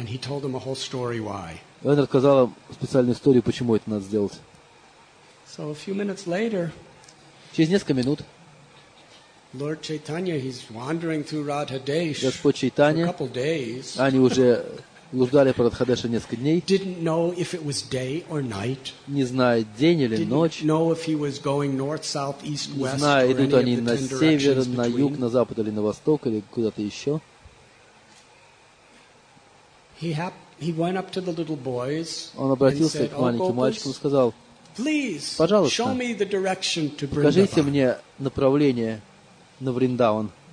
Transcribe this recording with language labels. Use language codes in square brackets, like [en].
[ru] И он рассказал им специальную историю, почему это надо сделать. Через несколько минут [en] Lord Chaitanya, he's wandering through Radhadesh [ru] Господь Чайтанья, [en] for a couple days, [ru] они уже блуждали по Радхадеше несколько дней, [en] didn't know if it was day or night, [ru] не зная, день или ночь, [en] know if he was going north, south, east, west, [ru] не зная, идут они на север, на юг, на запад или на восток, или куда-то еще. Он обратился к маленьким мальчикам и сказал, пожалуйста, покажите мне направление на Вриндаван.